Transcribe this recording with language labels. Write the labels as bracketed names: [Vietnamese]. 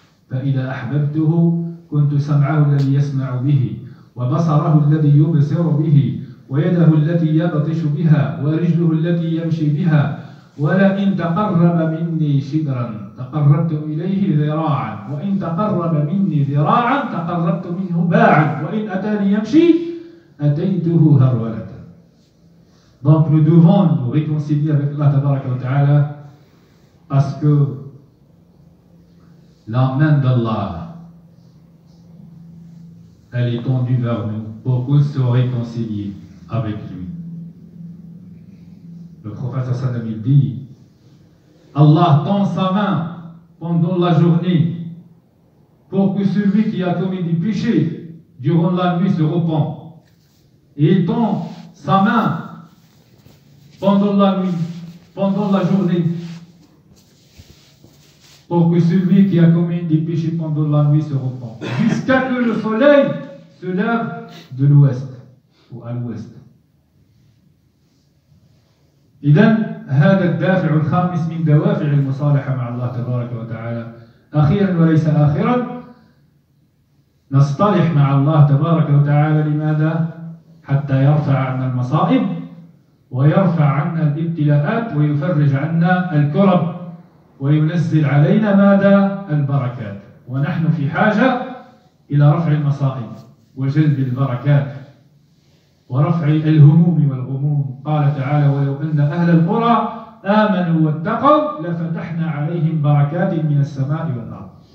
[Arabic] فإذا أحببته كنت سمعه الذي يسمع به، وبصره الذي يبصر به، ويده التي يبطش بها، ورجله التي يمشي بها، ولئن تقرب مني شبرا تقربت إليه ذراعا، وإن تقرب مني ذراعا تقربت منه باعا، وإن أتاني يمشي أتيته هرولة. [French] Donc nous devons nous réconcilier avec Allah [Arabic] تبارك وتعالى [French] parce que la main d'Allah elle est tendue vers nous pour qu'on se réconcilie avec lui. Le prophète sallam dit: Allah tend sa main pendant la journée pour que celui qui a commis du péché durant la nuit se repent. Et il tend sa main pendant la nuit, pendant la journée, pour que celui qui a commis des péchés pendant la nuit se repent. Jusqu'à que le soleil se lève de l'ouest ou à l'ouest. [Arabic] إذن هذا الدافع الخامس من دوافع المصالحة مع الله تبارك وتعالى أخيرا وليس آخرا نصطلح مع الله تبارك وتعالى لماذا؟ حتى يرفع عنا المصائب ويرفع عنا الابتلاءات ويفرج عنا الكرب وينزل علينا ماذا؟ البركات ونحن في حاجة إلى رفع المصائب وجلب البركات ورفع الهموم والغموم قال تعالى ولو أن أهل القرى آمنوا واتقوا لفتحنا عليهم بركات من السماء والأرض